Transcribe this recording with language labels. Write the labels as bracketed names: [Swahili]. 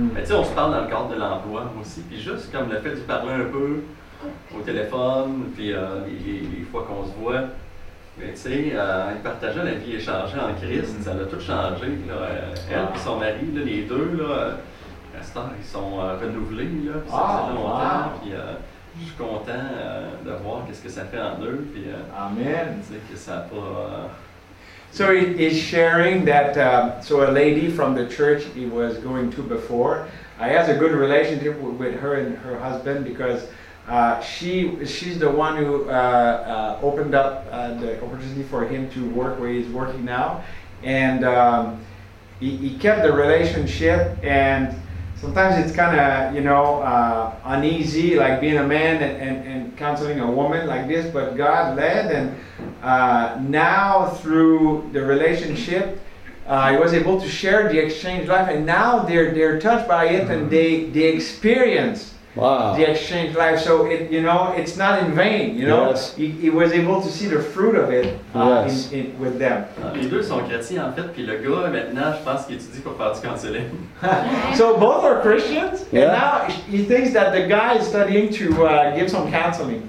[French] Mais tu sais, on se parle dans le cadre de l'emploi aussi. Puis juste comme le fait de parler un peu au téléphone, puis les fois qu'on se voit, mais tu sais, partager la vie échangée en Christ, mm-hmm. ça l'a tout changé. Là, elle et son mari, là, les deux, là, à cette heure, ils sont renouvelés. Là, puis ça faisait longtemps. Wow. Puis je suis content de voir qu'est-ce que ça fait en eux. Puis, amen. Tu sais, que ça n'a pas. [English] So he's sharing that so a lady from the church he was going to before, I has a good relationship with her and her husband because she's the one who opened up the opportunity for him to work where he's working now, and he kept the relationship. And sometimes it's kind of, you know, uneasy, like being a man and counseling a woman like this, but God led, and now through the relationship, he was able to share the exchange life, and now they're touched by it, and they experience wow. the exchange life. So, it, you know, it's not in vain, you know. Yes. He was able to see the fruit of it yes. in with them. [French] Les deux sont chrétiens, en fait, puis le gars, maintenant, je pense qu'il étudie pour faire du counseling. [English] So, both are Christians, yeah. and now he thinks that the guy is studying to give some counseling.